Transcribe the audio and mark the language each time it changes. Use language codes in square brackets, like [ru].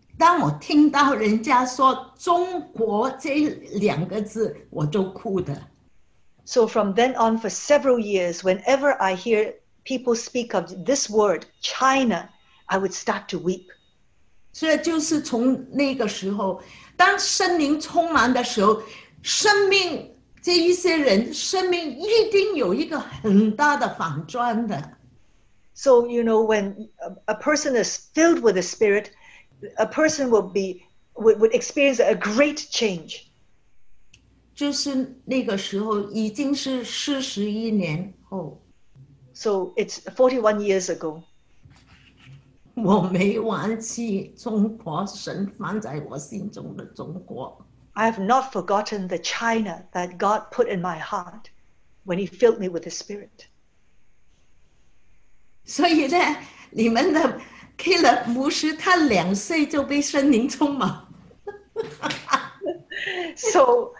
[zh] 当我听到人家说中国这两个字，我就哭的。So [en] from then on, for several years, whenever I hear people speak of this word China, I would start to weep. [zh] 所以就是从那个时候，当圣灵充满的时候，生命这一些人生命一定有一个很大的反转的。 [en] So, you know, when a person is filled with the Spirit, a person would experience a great change. [zh] 就是那个时候已经是41年后。 [en] So it's 41 years ago. [zh] 我没忘记中国神放在我心中的中国。 [en] I have not forgotten the China that God put in my heart when he filled me with his Spirit. [zh] 所以呢，你们的Caleb牧师他两岁就被圣灵充满。 So